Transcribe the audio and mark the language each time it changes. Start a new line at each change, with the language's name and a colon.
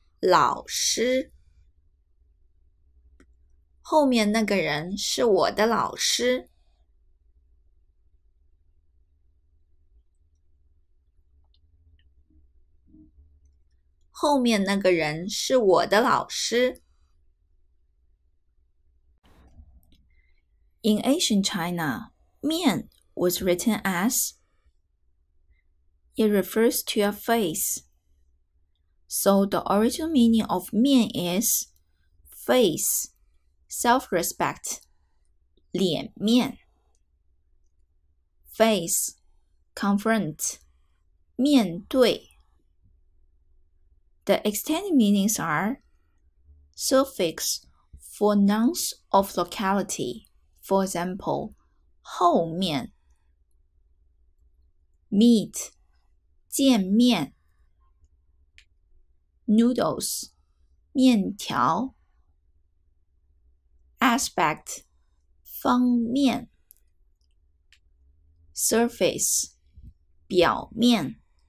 Chinese: 老师，后面那个人是我的老师。后面那个人是我的老师。
English: In ancient China, 面 was written as. It refers to a face. So the original meaning of 面 is face, self-respect, 脸面 face, confront, 面对 The extended meanings are suffix for nouns of locality, for example, 后面 meet, 见面Noodles, 面条。 Aspect, 方面。Surface, 表面。